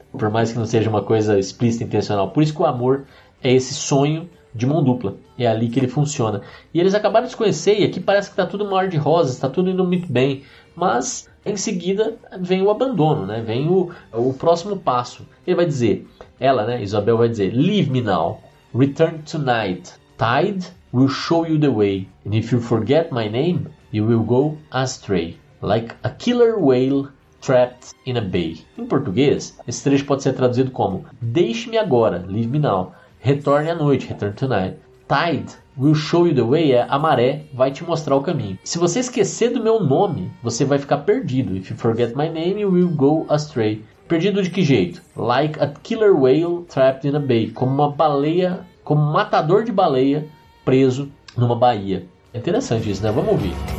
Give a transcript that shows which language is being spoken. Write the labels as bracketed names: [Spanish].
[Portuguese] Por mais que não seja uma coisa explícita e intencional. Por isso que o amor é esse sonho de mão dupla, é ali que ele funciona. E eles acabaram de se conhecer e aqui parece que está tudo mar de rosas, está tudo indo muito bem, mas Em seguida, vem o abandono, né? Vem o próximo passo. Ele vai dizer, ela, né, Isabel vai dizer, [English] leave me now, return tonight. Tide will show you the way, and if you forget my name, you will go astray, like a killer whale trapped in a bay. [Portuguese] Em português, esse trecho pode ser traduzido como, deixe-me agora, [English] leave me now, [Portuguese] retorne à noite, [English] return tonight. Tide will show you the way, [Portuguese] é a maré vai te mostrar o caminho. Se você esquecer do meu nome, você vai ficar perdido. [English] If you forget my name, you will go astray. [Portuguese] Perdido de que jeito? [English] Like a killer whale trapped in a bay. [Portuguese] Como uma baleia, como um matador de baleia preso numa baía. É interessante isso, né? Vamos ouvir.